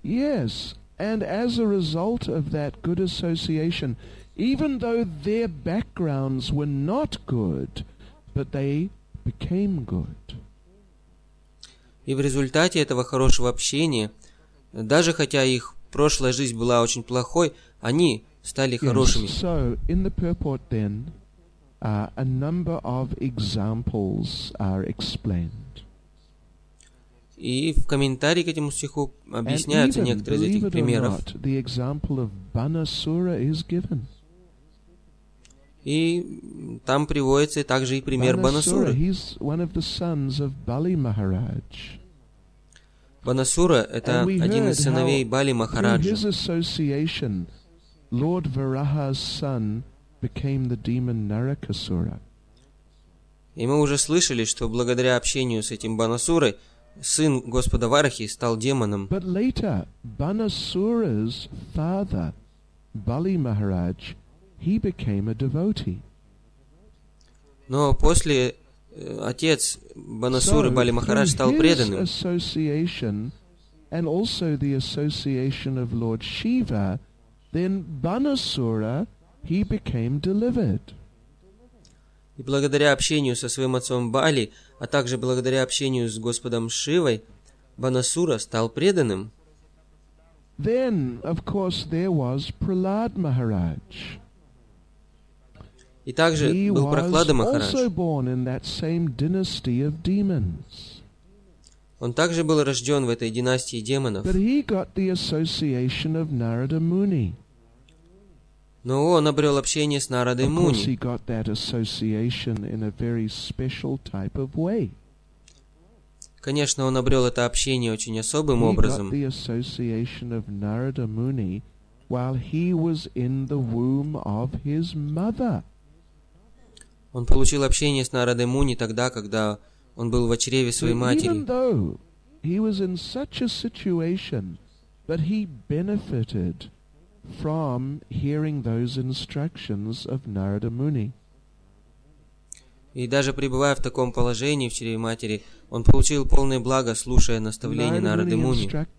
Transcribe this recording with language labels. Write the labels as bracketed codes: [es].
[en] Yes, and as a result of that good association, even though their backgrounds were not good, but they became good. [ru] И в результате этого хорошего общения, даже хотя их прошлая жизнь была очень плохой, они стали хорошими. [en] So, in the purport then, a number of examples are explained. [ru] И в комментарии к этому стиху объясняются некоторые из этих примеров. [en] The example of Banasura is given. [ru] И там приводится также и пример Банасура. [en] He's one of the sons of Bali Maharaj. [ru] Банасура это один из сыновей Бали Махараджа. [en] His association, Lord Varaha's son. Became the demon Narakasura. [ru] И мы уже слышали, что благодаря общению с этим Банасурой, сын Господа Варахи стал демоном. [en] But later, Banasura's father, Bali Maharaj, he became a devotee. [ru] Но после отец Банасуры, Бали Махарадж, стал преданным. [en] So his association, and also the association of Lord Shiva, then Banasura. He became delivered. [ru] И благодаря общению со своим отцом Бали, а также благодаря общению с Господом Шивой, Банасура стал преданным. [en] Then, of course, there was Prahlad Maharaj. [ru] И также был Прохлада Махарадж. [en] He was also born in that same dynasty of demons. [ru] Он также был рожден в этой династии демонов. [en] But he got the association of Narada Muni. [ru] Но он обрел общение с Нарадой Муни. [en] He got that association in a very special type of way. [ru] Конечно, он обрел это общение очень особым образом. [en] The association of Narada Muni while he was in the womb of his mother. [ru] Он получил общение с Нарадой Муни тогда, когда он был в чреве своей матери. [en] Even though he was in such a situation, but he benefited from hearing those instructions of Narada Muni. [ru] И даже пребывая в таком положении в чреве матери, он получил полное благо, слушая наставления Нарады Муни.